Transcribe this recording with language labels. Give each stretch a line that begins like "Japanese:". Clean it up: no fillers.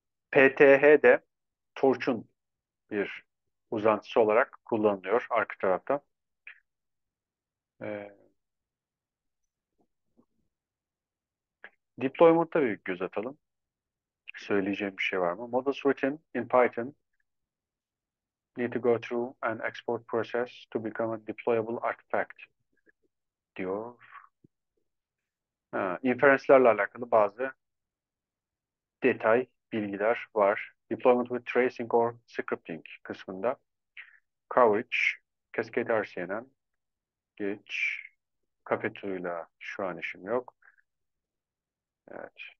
Turkish: PTH de Torch'un bir uzantısı olarak kullanılıyor arka tarafta. Deployment'a bir göz atalım. Söyleyeceğim bir şey var mı?
English: Models written in Python need to go through an export process to become a deployable artifact
Turkish: diyor. Ha, inferenslerle alakalı bazı detay bilgiler var.
English: Deployment with tracing or scripting
Turkish: kısmında.
English: Coverage, Cascade RCNN,
Turkish: geç. Capitu'yla şu an işim yok. Evet.